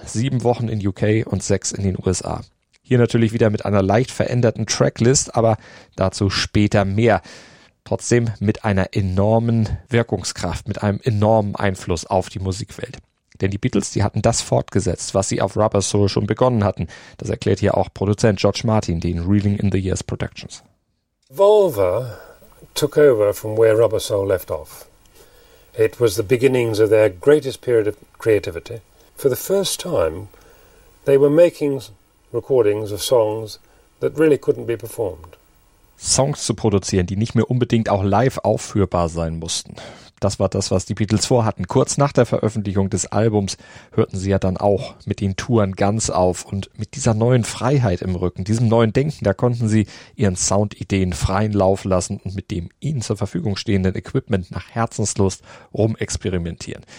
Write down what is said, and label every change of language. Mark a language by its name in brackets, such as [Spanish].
[German] 7 Wochen in UK und 6 in den USA. Hier natürlich wieder mit einer leicht veränderten Tracklist, aber dazu später mehr. Trotzdem mit einer enormen Wirkungskraft, mit einem enormen Einfluss auf die Musikwelt. Denn die Beatles, die hatten das fortgesetzt, was sie auf Rubber Soul schon begonnen hatten. Das erklärt hier auch Produzent George Martin, den Reeling in the Years Productions. [English] Revolver took over from where Rubber Soul left off. It was the beginnings of their greatest period of creativity. For the first time, they were making recordings of songs that really couldn't be performed. [German] Songs zu produzieren, die nicht mehr unbedingt auch live aufführbar sein mussten. Das war das, was die Beatles vorhatten. Kurz nach der Veröffentlichung des Albums hörten sie ja dann auch mit den Touren ganz auf. Und mit dieser neuen Freiheit im Rücken, diesem neuen Denken, da konnten sie ihren Soundideen freien Lauf lassen und mit dem ihnen zur Verfügung stehenden Equipment nach Herzenslust rumexperimentieren.